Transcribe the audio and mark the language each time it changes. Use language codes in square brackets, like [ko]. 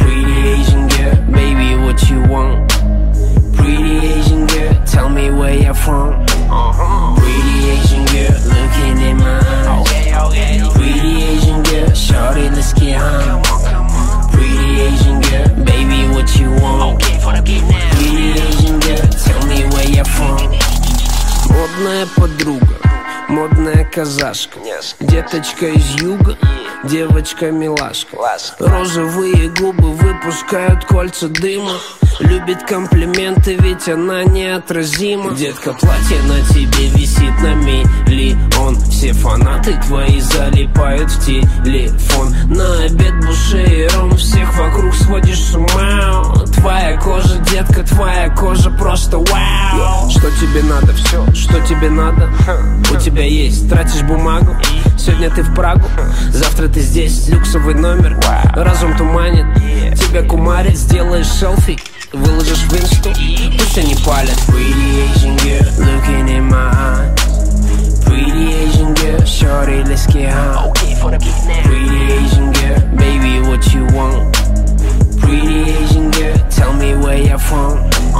[en] Pretty Asian girl, baby, what you want? Pretty Asian girl, tell me where you're from. Pretty Asian girl looking in my eyes. Okay, okay. Pretty Asian girl, shorty, let's get high. Come on, come on. Pretty Asian girl, baby, what you want? Okay, for the beat now. Pretty Asian girl, tell me where you're from. [ru] Модная подруга, модная казашка, деточка из юга, девочка-милашка. Розовые губы выпускают кольца дыма. Любит комплименты, ведь она неотразима. Детка, платье на тебе висит на миллион. Все фанаты твои залипают в телефон. На обед буширом, всех вокруг сводишь с ума. Твоя кожа, детка, твоя кожа просто вау. Что тебе надо, все, что тебе надо? У тебя есть, тратишь бумагу? Сегодня ты в Прагу, завтра ты здесь. Люксовый номер, разум туманит. Тебя кумарит, сделаешь селфи, выложишь в инсту, пусть они палят. [en] Pretty Asian girl, looking in my eyes. Pretty Asian girl, shorty, let's get high. Okay, for the beat now. Pretty Asian girl, baby, what you want? Pretty Asian girl, tell me where you're from.